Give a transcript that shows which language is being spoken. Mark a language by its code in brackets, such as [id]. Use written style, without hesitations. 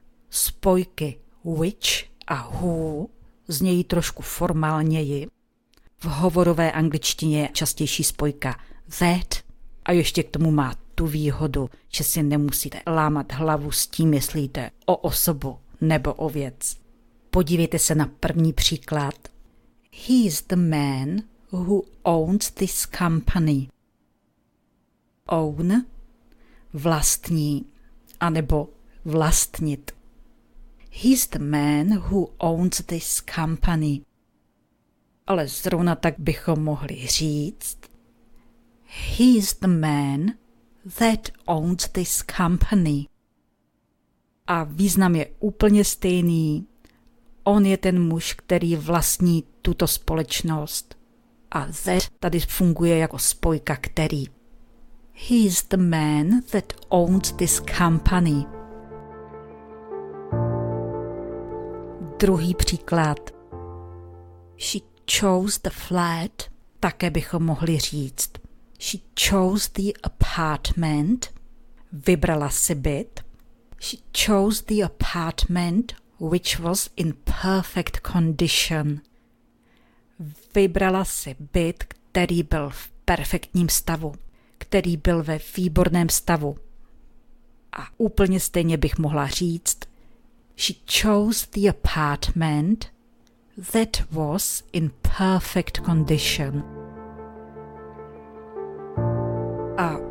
[cs] Spojky which a who znějí trošku formálněji. V hovorové angličtině je častější spojka that a ještě k tomu má tu výhodu, že si nemusíte lámat hlavu s tím, jestli jde o osobu nebo o věc. Podívejte se na první příklad. [en] He is the man who owns this company. [cs] Own, vlastní, anebo vlastnit. [en] He's the man who owns this company. [cs] Ale zrovna tak bychom mohli říct. [en] He's the man that owns this company. [cs] A význam je úplně stejný. On je ten muž, který vlastní tuto společnost. A that tady funguje jako spojka který. [en] He's the man that owns this company. [cs] Druhý příklad. [en] She chose the flat, [cs] také bychom mohli říct. [en] She chose the apartment, [cs] vybrala si byt. [en] She chose the apartment, which was in perfect condition. [cs] Vybrala si byt, který byl v perfektním stavu, který byl ve výborném stavu. A úplně stejně bych mohla říct, [en] She chose the apartment that was in perfect condition. A